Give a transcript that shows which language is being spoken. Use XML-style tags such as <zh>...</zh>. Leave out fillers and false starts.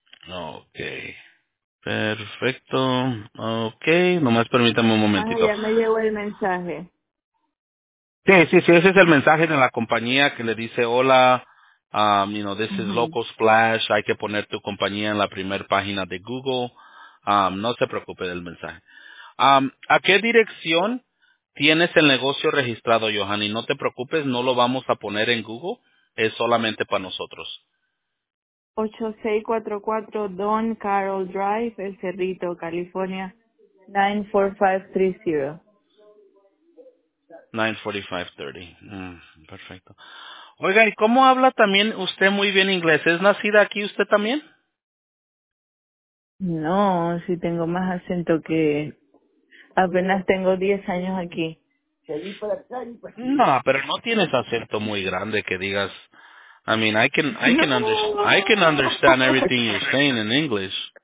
<es>Ok, perfecto. Ok, nomás permítame un momentito. Ya me llegó el mensaje. Sí, ese es el mensaje de la compañía que le dice hola.</es> <en>You know, this is Local Splash.</en> <es>Hay que poner tu compañía en la primer página de Google. No se preocupe del mensaje. ¿A qué dirección tienes el negocio registrado, Johanny? No te preocupes, no lo vamos a poner en Google. Es solamente para nosotros. 8644 Don Carroll Drive, El Cerrito, California. 94530. 94530. Perfecto. Oiga, ¿y cómo habla también usted muy bien inglés? ¿Es nacida aquí usted también? No, sí tengo más acento que Apenas tengo 10 años aquí. No, pero no tienes acento muy grande que digas.</es> <en>I mean, I can understand everything you're saying in English.</en>